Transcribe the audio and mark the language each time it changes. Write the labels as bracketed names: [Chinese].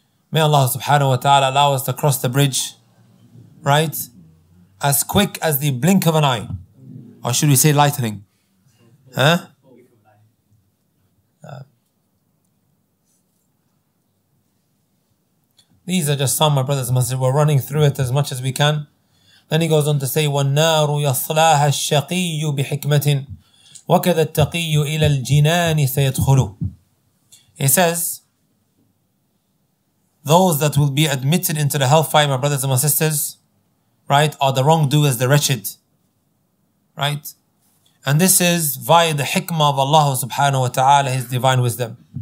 [English] May Allah subhanahu wa ta'ala allow us to cross the bridge. Right? As quick as the blink of an eye. Or should we say lightning? Huh? These are just some, my brothers and sisters. We're running through it as much as we can. Then he goes on to say, [Arabic] وَالنَّارُ يَصْلَاهَا الشَّقِيُّ بِحِكْمَةٍ وَكَذَا التَّقِيُّ إِلَى الْجِنَانِ سَيَدْخُلُ. [English] He says, those that will be admitted into the hellfire, my brothers and my sisters, right, are the wrongdoers, the wretched. Right? And this is via the hikmah of Allah subhanahu wa ta'ala, His divine wisdom.